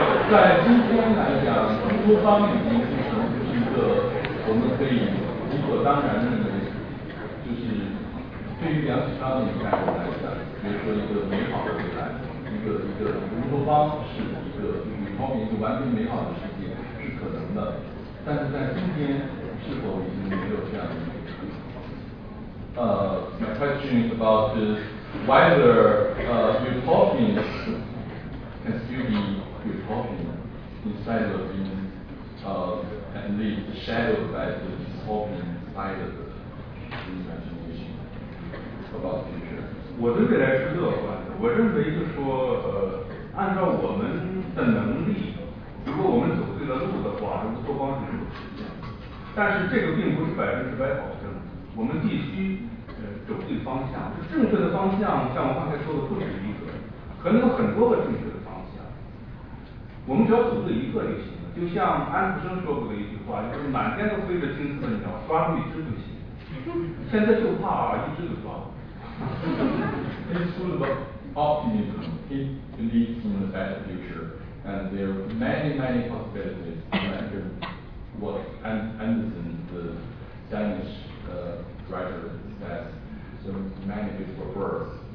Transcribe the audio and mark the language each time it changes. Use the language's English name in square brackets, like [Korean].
[Chinese] 在今天来讲，中国方面已经形成一个我们可以理所当然认为，就是对于梁启超的影响来讲，比如说一个美好的未来，一个乌托邦是一个方面一个完全美好的世界是可能的，但是在今天是否已经没有这样的一个可能？ [English] My question is about whether utopian can still be utopian inside of being at least shadowed by the dystopian side of the imagination about the future. [Chinese] 我的未来是乐观的，我认为就是说按照我们的能力，如果我们走对了路的话，乌托邦是能够实现，但是这个并不是百分之百保证，我们必须走对方向，正确的方向像我刚才说的不止一个，可能有很多个正确的方向，我们只要走对一个就行了。就像安徒生说过的一句话，就是满天都飞着金色的鸟，抓住一只就行，现在就怕一只就抓 [English] 了。It's full of optimism. He believes in a better future, and there are many, many possibilities. Under what Anderson, the Danish writer, says, so many beautiful words.